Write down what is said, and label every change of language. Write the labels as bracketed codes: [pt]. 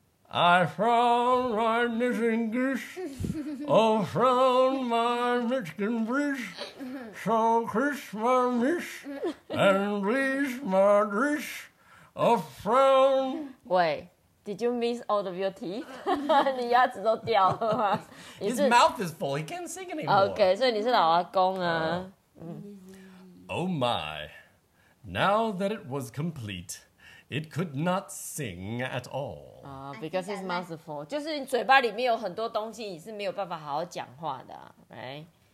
[en] I found my missing goose. Oh, found my missing goose. So kiss my miss and please my dish. Oh, found. Wait, did you miss all of your teeth? [zh] 你牙齿都掉了吗? [en] His mouth is full. He can't sing anymore. [zh] Okay, 所以你是老阿公啊。 [en] Oh my. Now that it was complete, it could not sing at all. Because his mouth is full. [zh] 就是你嘴巴里面有很多东西，你是没有办法好好讲话的 ，right?